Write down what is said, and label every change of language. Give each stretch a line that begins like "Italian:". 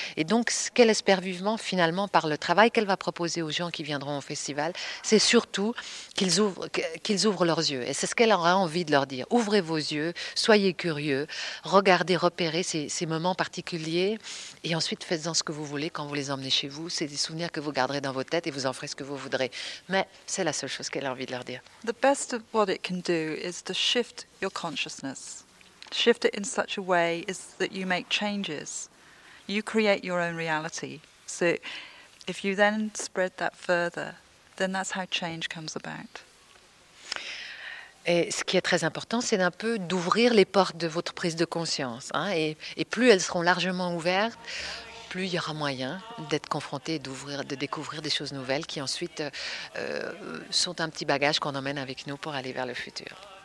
French: Et donc, ce qu'elle espère vivement, finalement, par le travail qu'elle va proposer aux gens qui viendront au festival, c'est surtout qu'ils ouvrent leurs yeux. Et c'est ce qu'elle aura envie de leur dire. Ouvrez vos yeux, soyez curieux, regardez, repérez ces moments particuliers et ensuite faites-en ce que vous voulez quand vous les emmenez chez vous. C'est des souvenirs que vous garderez dans vos têtes et vous en ferez ce que vous voudrez. Mais c'est la seule chose qu'elle a envie de leur dire.
English: The best of what it can do is to shift your consciousness. Shift it in such a way is that you make changes. You create your own reality. So if you then spread that further, then that's how change comes about.
French: Et ce qui est très important, c'est un peu d'ouvrir les portes de votre prise de conscience. Hein, et plus elles seront largement ouvertes, plus il y aura moyen d'être confronté, d'ouvrir, de découvrir des choses nouvelles qui ensuite sont un petit bagage qu'on emmène avec nous pour aller vers le futur.